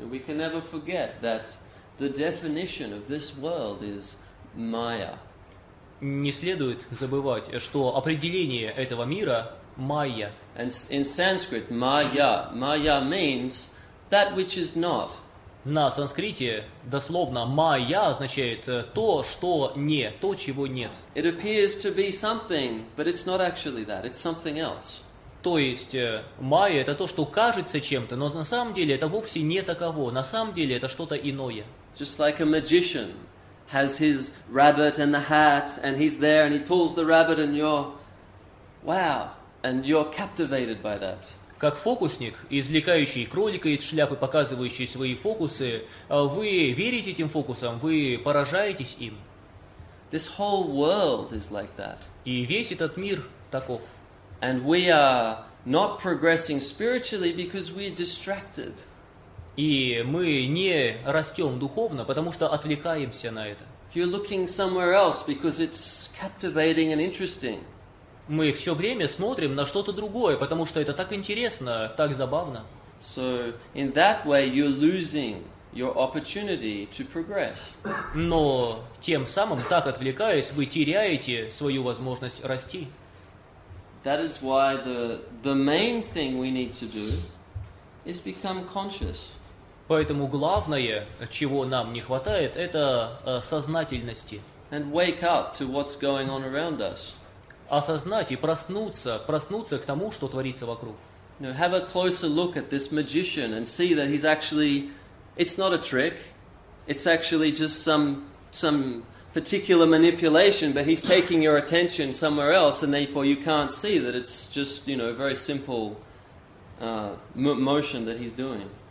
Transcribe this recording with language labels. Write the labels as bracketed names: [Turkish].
[English] We can never forget that the definition of this world is Maya. [Russian] Не следует забывать, что определение этого мира – Майя. [English] And in Sanskrit, Maya. Maya means that which is not. [Russian] На санскрите дословно «майя» означает «то, что не», «то, чего нет». [English] It appears to be something, but it's not actually that, it's something else. [Russian] То есть «майя» — это то, что кажется чем-то, но на самом деле это вовсе не таково, на самом деле это что-то иное. [English] Just like a magician has his rabbit and the hat, and he's there, and he pulls the rabbit, and you're «wow», and you're captivated by that. [Russian] Как фокусник, извлекающий кролика из шляпы, показывающий свои фокусы, вы верите этим фокусам, вы поражаетесь им. [English] This whole world is like that. [Russian] И весь этот мир таков. [English] And we are not progressing spiritually because we are distracted. [Russian] И мы не растем духовно, потому что отвлекаемся на это. [English] You're looking somewhere else because it's captivating and interesting. [Russian] Мы все время смотрим на что-то другое, потому что это так интересно, так забавно. [English] So, in that way you're losing your opportunity to progress. [Russian] Но тем самым, так отвлекаясь, вы теряете свою возможность расти. [English] That is why the main thing we need to do is become conscious. [Russian] Поэтому главное, чего нам не хватает, это сознательности. [English] And wake up to what's going on around us. [Russian] Осознать и проснуться к тому, что творится вокруг. [English] Now have a closer look at this magician and see that he's actually, it's not a trick, it's actually just some particular manipulation, but he's taking your attention somewhere else, and therefore you can't see that it's just, you know, very simple motion that he's doing.